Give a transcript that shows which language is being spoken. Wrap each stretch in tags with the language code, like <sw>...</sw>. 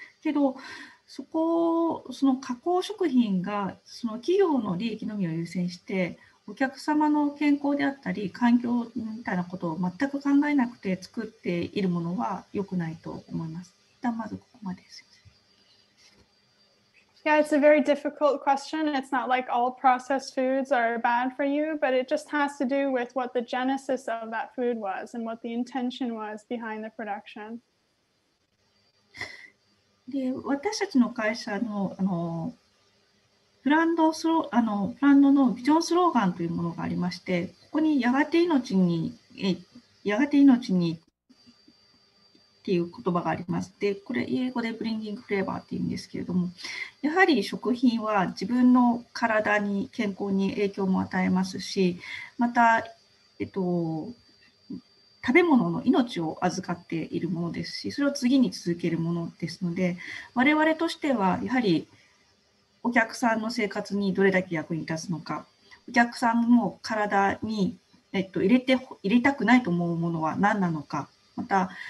<ja>けど、その加工食品がその企業の利益のみを優先して、お客様の健康であったり環境みたいなことを全く考えなくて作っているものは良くないと思います。一旦まずここまでです。</ja> <en>Yeah, it's a very difficult question. It's not like all processed foods are bad for you, but it just has to do with what the genesis of that food was and what the intention was behind the production.</en> <ja>で、私たちの会社の、ブランドのビジョンスローガンというものがありまして、ここにやがて命にっていう言葉があります。で、これ英語でブリンギングフレーバーっていうんですけれども、やはり食品は自分の体に健康に影響も与えますし、また、食べ物の命を預かっているものですし、それを次に続けるものですので、我々としてはやはりお客さんの生活にどれだけ役に立つのか、お客さんの体に入れたくないと思うものは何なのか、また、</ja>